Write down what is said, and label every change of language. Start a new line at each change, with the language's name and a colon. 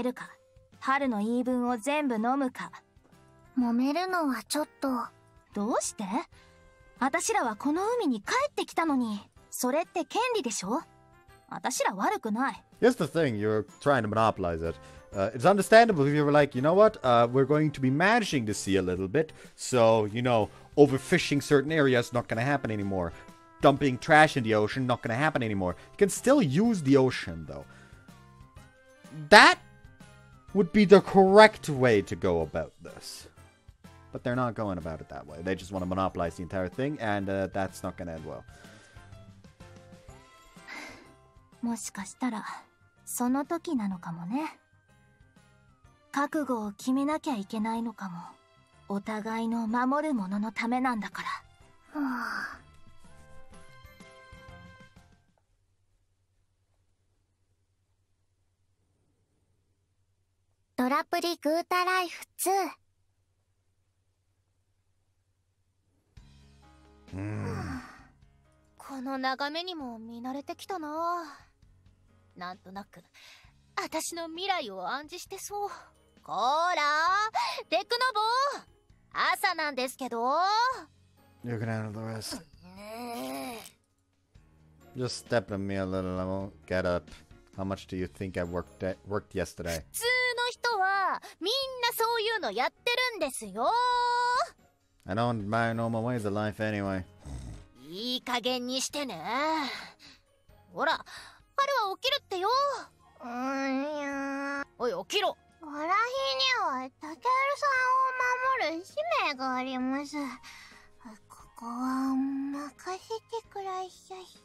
Japanese: どうするも何も、あんなにはっきり態度を見せられちゃったら考える余地とかはないでしょ。決めるだけ。選択肢は二つっきゃない。人間を追い払うために春と揉めるか、春の言い分を全部飲むか。揉めるのはちょっと。どうして？私らはこの海に帰ってきたのに、それって権利でしょ？私ら悪くない。
English: Here's the thing, you're trying to monopolize it. It's understandable if you were like, you know what, we're going to be managing the sea a little bit, so, you know, overfishing certain areas not gonna happen anymore. Dumping trash in the ocean not gonna happen anymore. You can still use the ocean, though. That would be the correct way to go about this. But they're not going about it that way. They just want to monopolize the entire thing, and that's not going to end well.
Japanese: もしかしたら、その時なのかもね。覚悟を決めなきゃいけないのかも。お互いの守るもののためなんだから。ラプリグータライフ2。うーん、この眺めにも見慣れてきたな。なんとなく私の未来を暗示してそう。こーら、テクノボー、朝なんですけど。よくないのドレス。
English: Just step on me a little, I won't get up. How much do you think I worked yesterday?
Japanese: 普通の人はみんなそういうのやってるんですよ。
English: I don't admire normal ways of life anyway.
Japanese: いい加減にしてね。ほら、春は起きるってよ。うん、いや。おい、起きろ。わらひにはタケルさんを守る使命があります。ここは任せてくらいしゃい。